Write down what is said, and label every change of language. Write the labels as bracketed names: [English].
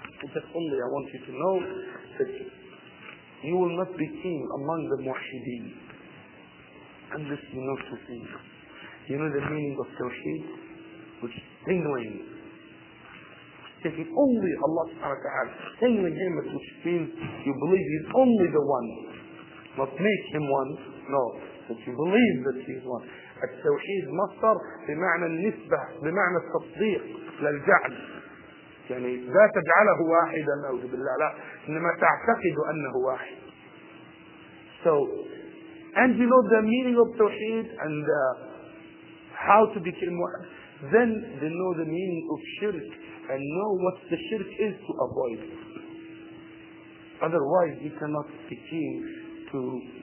[English] Just only I want you to know that you will not be king among the muwahhideen unless you know two things. You know the meaning of tawheed, which is singling, taking only Allah subhanahu wa ta'ala, singling Him, which means you believe He's only the one, not make Him one, no, that you believe that He's one. [Arabic] التوحيد مصدر بمعنى النسبة، بمعنى التصديق للجعل، يعني لا تجعله واحدا أعوذ بالله، لا، إنما تعتقد أنه واحد. [English] So and you know the meaning of توحيد and how to become واحد. Then they know the meaning of shirk and know what the shirk is to avoid. Otherwise you cannot be king to